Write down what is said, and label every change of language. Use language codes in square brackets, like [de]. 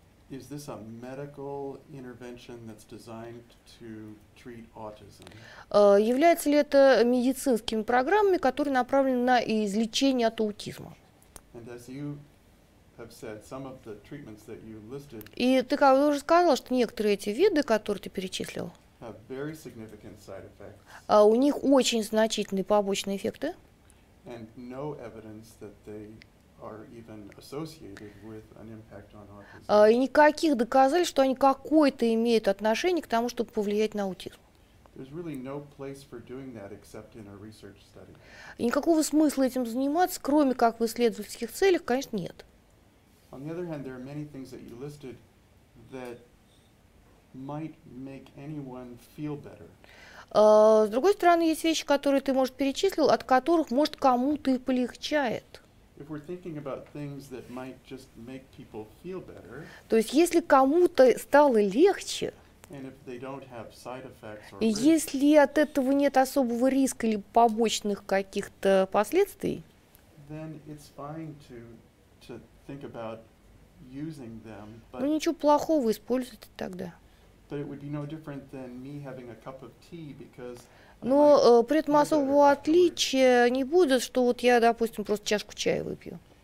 [en] Is this a medical intervention that's designed to treat autism? [ru] Является ли это медицинскими программами, которые направлены на излечение от аутизма? [en] And as you have said, some of the treatments that you listed. [ru] И ты как уже сказал, что некоторые эти виды, которые ты перечислил, [en] have very significant side effects. [ru] У них очень значительные побочные эффекты. [en] And no evidence that they are even associated with an impact on autism. [ru] И никаких доказательств, что они какое-то имеют отношение к тому, чтобы повлиять на аутизм. [en] There's really no place for doing that except in a research study. [ru] И никакого смысла этим заниматься, кроме как в исследовательских целях, конечно, нет. [en] On the other hand, there are many things that you listed that might make anyone feel better. [ru] С другой стороны, есть вещи, которые ты, может, перечислил, от которых, может, кому-то и полегчает. [en] If we're thinking about things that might just make people feel better. [ru] То есть если кому-то стало легче, [en] and if they don't have side effects or [ru] и risk, если от этого нет особого риска или побочных каких-то последствий, [en] then it's fine to think about using them, but [ru] ну ничего плохого использовать тогда. [en] But it would be no different than me having a cup of tea because. [ru] Но при этом особого отличия не будет, что вот я, допустим, просто чашку чая выпью.